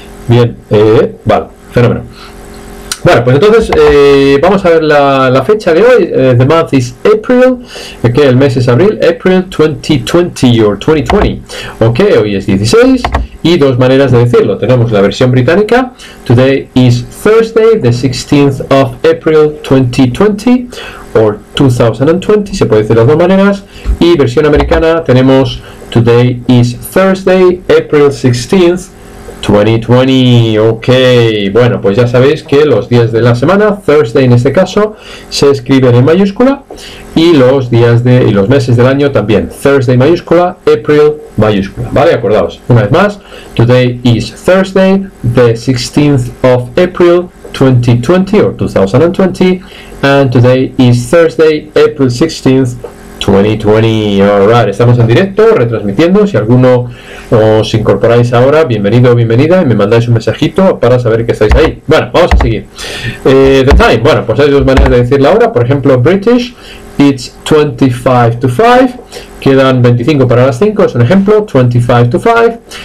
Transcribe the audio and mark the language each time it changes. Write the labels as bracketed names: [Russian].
[Spanish] Bien, vale, fenómeno. Bueno, pues entonces vamos a ver la fecha de hoy. [English] The month is April. [Spanish] Ok, el mes es abril. [English] April 2020 or 2020. [Spanish] Ok, hoy es 16. Y dos maneras de decirlo. Tenemos la versión británica. [English] Today is Thursday, the 16th of April 2020 or 2020. [Spanish] Se puede decir las dos maneras. Y versión americana tenemos [English] Today is Thursday, April 16th. [Spanish] 2020, ok. Bueno, pues ya sabéis que los días de la semana, Thursday en este caso, se escriben en mayúscula y los días y los meses del año también, Thursday mayúscula, April mayúscula. Vale, acordaos, una vez más, [English] Today is Thursday, the 16th of April 2020 or 2020, and today is Thursday, April 16th. [Spanish] 2020, all right. Estamos en directo, retransmitiendo. Si alguno os incorporáis ahora, bienvenido o bienvenida, y me mandáis un mensajito para saber que estáis ahí. Bueno, vamos a seguir. The time, bueno, pues hay dos maneras de decir la hora. Por ejemplo, British, [English] it's 25 to 5. [Spanish] Quedan 25 para las 5, es un ejemplo, [English] 25 to 5.